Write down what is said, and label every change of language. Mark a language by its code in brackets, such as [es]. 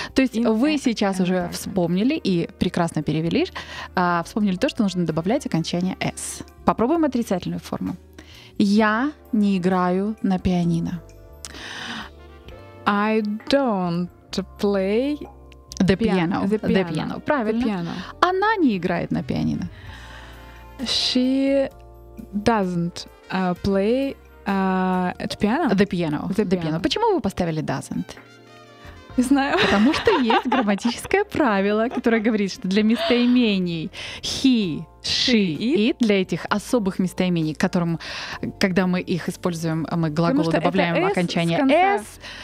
[ru] То есть вы сейчас уже вспомнили и прекрасно перевели, вспомнили то, что нужно добавлять окончание S. Попробуем отрицательную форму. Я не играю на пианино. [en] I don't play the piano. [ru] Правильно. [en] The piano. [ru] Она не играет на пианино. [en] She doesn't play at piano. The piano. [ru] Почему вы поставили doesn't? Не знаю. Потому что есть грамматическое правило, которое говорит, что для местоимений he, she, it, для этих особых местоимений, к которым, когда мы их используем, мы глаголу добавляем в окончание s.